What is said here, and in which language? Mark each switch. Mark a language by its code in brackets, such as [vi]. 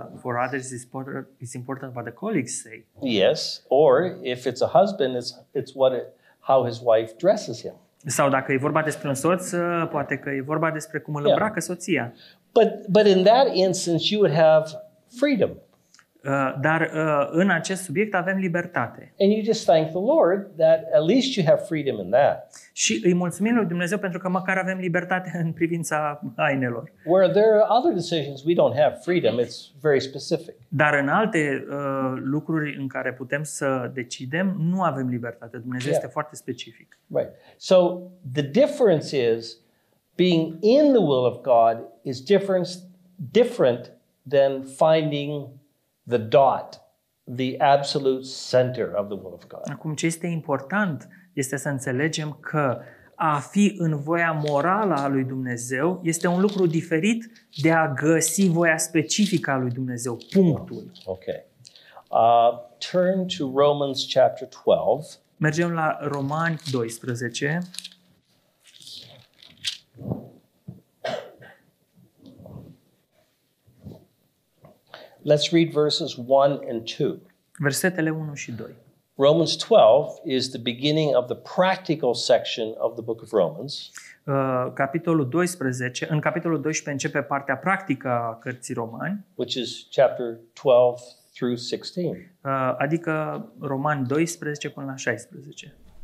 [en] For others, it's important what the colleagues say. Yes, or if it's a husband, it's what how his wife dresses him. [ro] Sau dacă e vorba despre un soț, poate că e vorba despre cum îl îmbracă soția. [en] But in that instance you would have freedom. [ro] Dar în acest subiect avem libertate. [en] And you just thank the Lord that at least you have freedom in that. [ro] Și îi mulțumim lui Dumnezeu pentru că măcar avem libertate în privința hainelor. [en] Where there are other decisions we don't have freedom, it's very specific. [ro] Dar în alte lucruri în care putem să decidem, nu avem libertate. Dumnezeu este foarte specific. Right. [en] So the difference is being in the will of God is different than finding the dot, the absolute center of the will of God. [ro] Acum ce este important este să înțelegem că a fi în voia morală a lui Dumnezeu este un lucru diferit de a găsi voia specifică a lui Dumnezeu. Punctul. [en] Okay. Turn to Romans chapter 12. [ro] Mergem la Romani 12. [en] Verse Let's read verses 1 and 2. [ro] Versetele 1 și 2. [en] Romans 12 is the beginning of the practical section of the book of Romans. [ro] Capitolul 12, în capitolul 12 începe partea practică a cărții Romani, [en] which is chapter 12 through 16. [ro] Adică Romani 12 până la 16.